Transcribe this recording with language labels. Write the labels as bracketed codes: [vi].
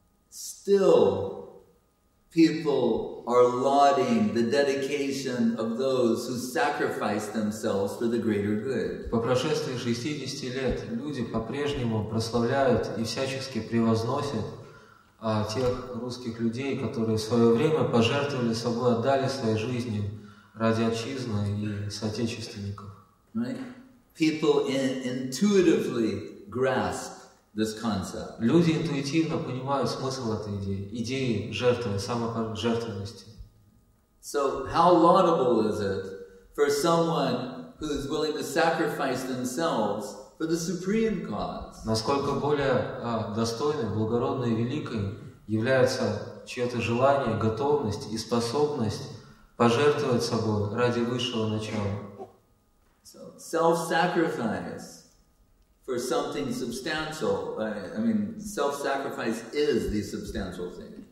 [en] Still, people are lauding the dedication of those who sacrifice themselves for the greater good. [ru] По прошествии 60 лет люди по-прежнему прославляют и всячески превозносят тех русских людей, которые в свое время пожертвовали собой, отдали своей жизни ради отчизны и соотечественников. [en] Right? People intuitively grasp this concept. [ru] Люди интуитивно понимают смысл этой идеи, идеи жертвы, самопожертвенности. [en] So how laudable is it for someone who is willing to sacrifice themselves for the supreme cause? [ru] Насколько более достойной, благородной, великой является чье-то желание, готовность и способность пожертвовать собой ради высшего начала? [en] So self-sacrifice for something substantial, self-sacrifice is the substantial thing.